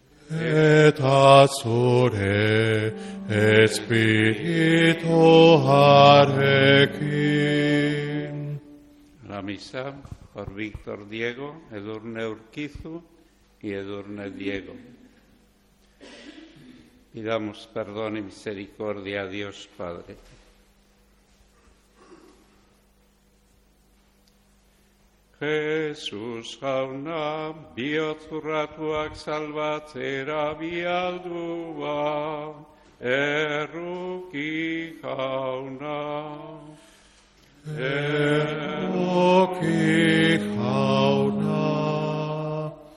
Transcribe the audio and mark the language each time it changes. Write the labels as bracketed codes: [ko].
[eu] eta zure espirituarekin. [es] La misa por Víctor Diego, Edurne Urquizu y Edurne Diego. Pidamos perdón y misericordia a Dios Padre. [eu] Jesus jauna, bihotzurratuak salbatzera bialdua, erruki jauna. Erruki jauna.